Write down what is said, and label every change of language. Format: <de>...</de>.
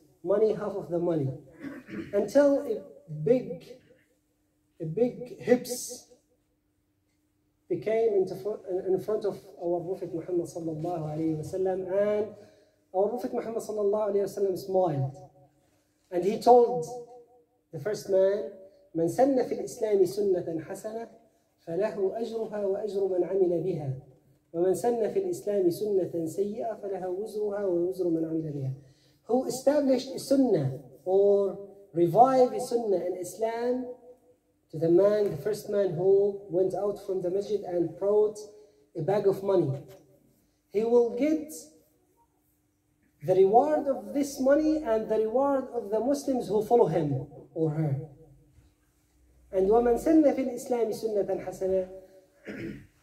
<en>Money, half of the money. Until a big hips became in front of our Prophet Muhammad sallallahu alayhi wa sallam, and our Prophet Muhammad sallallahu alayhi wa sallam smiled. And he told the first man,</en> <ar>من سن في الإسلام سنة حسنة فله أجرها وأجر من عمل بها ومن سن في الإسلام سنة سيئة فله وزرها ووزر من عمل بها.</ar> <en>Who established a sunnah or revived a sunnah in Islam to the man, the first man who went out from the masjid and brought a bag of money. He will get the reward of this money and the reward of the Muslims who follow him or her. And</en> <ar>وَمَنْ سَنَّ فِي الْإِسْلَامِ سُنَّةً حَسَنَةً.</ar>